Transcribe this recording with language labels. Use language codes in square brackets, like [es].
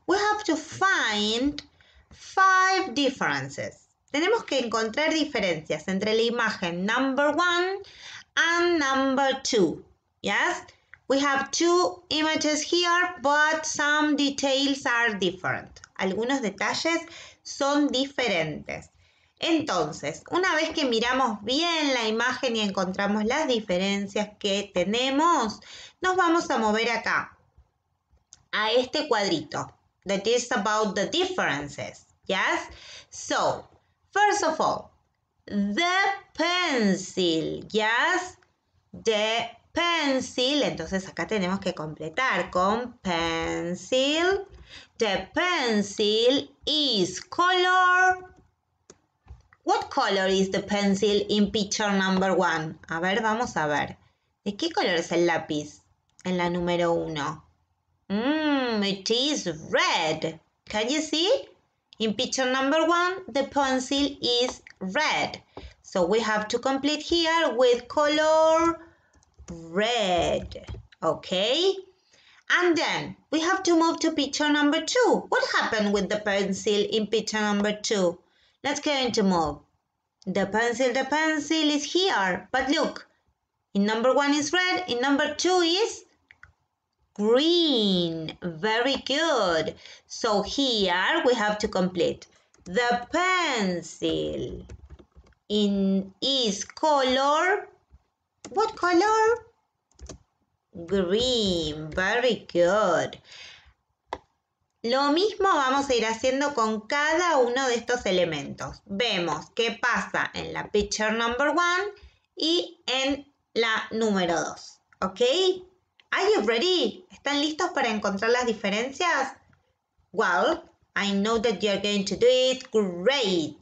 [en] We have to find five differences. [es] Tenemos que encontrar diferencias entre la imagen [en] number one and number two. Yes? We have two images here, but some details are different. [es] Algunos detalles son diferentes. Entonces, una vez que miramos bien la imagen y encontramos las diferencias que tenemos, nos vamos a mover acá, a este cuadrito. [en] That is about the differences. ¿Yes? So, first of all, the pencil. ¿Yes? The pencil, [es] entonces acá tenemos que completar con pencil. [en] The pencil is color. What color is the pencil in picture number one? [es] A ver, vamos a ver. ¿De qué color es el lápiz en la número uno? [en] It is red. Can you see? In picture number one, the pencil is red. So we have to complete here with color. Red. Okay. And then we have to move to picture number two. What happened with the pencil in picture number two? Let's go into move. The pencil is here. But look, in number one is red, in number two is green. Very good. So here we have to complete. The pencil is color. What color? Green, very good. [es] Lo mismo vamos a ir haciendo con cada uno de estos elementos. Vemos qué pasa en la [en] picture number one [es] y en la número dos. ¿Ok? [en] Are you ready? [es] ¿Están listos para encontrar las diferencias? [en] Well, I know that you're going to do it great.